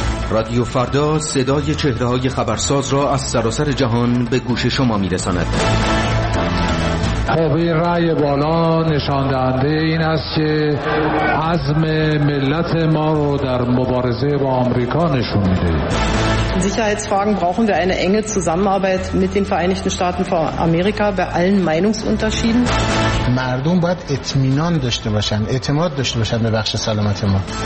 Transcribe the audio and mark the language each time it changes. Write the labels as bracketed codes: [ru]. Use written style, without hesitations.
[fa] رادیو فردا صدای چهره‌های خبرساز را از سراسر جهان به گوش شما می‌رساند. خب این رأی بالا نشان دهنده این است که عزم ملت ما رو در مبارزه با آمریکا نشون میده. [de] Sicherheitsfragen brauchen wir eine enge Zusammenarbeit mit den Vereinigten Staaten von Amerika bei allen Meinungsunterschieden. [fa] مردم باید اطمینان داشته باشن، اعتماد داشته باشن به بخش سلامت ما.